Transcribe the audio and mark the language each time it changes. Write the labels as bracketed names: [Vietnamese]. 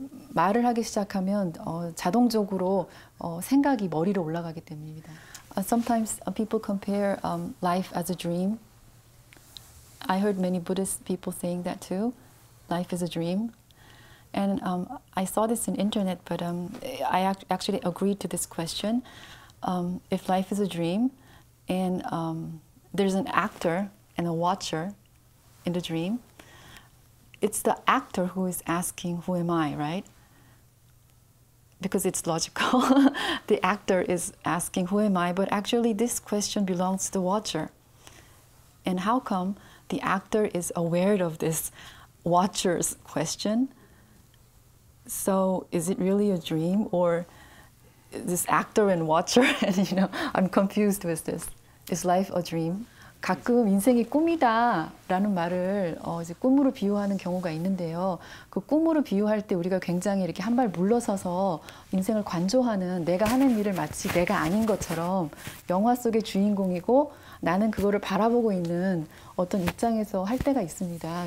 [Korean] 말을 하기 시작하면 자동적으로 생각이 머리로 올라가기 때문입니다. [English] Sometimes people compare life as a dream. I heard many Buddhist people saying that too. Life is a dream. And I saw this in internet, but I actually agreed to this question. If life is a dream, and there's an actor and a watcher in the dream, it's the actor who is asking, who am I, right? Because it's logical. The actor is asking, who am I? But actually, this question belongs to the watcher. And how come the actor is aware of this watcher's question? So is it really a dream? Or this actor and watcher, and you know, I'm confused with this. Is life a dream? [Korean] 가끔 인생이 꿈이다라는 말을 이제 꿈으로 비유하는 경우가 있는데요. 그 꿈으로 비유할 때 우리가 굉장히 이렇게 한 발 물러서서 인생을 관조하는 내가 하는 일을 마치 내가 아닌 것처럼 영화 속의 주인공이고 나는 그거를 바라보고 있는 어떤 입장에서 할 때가 있습니다.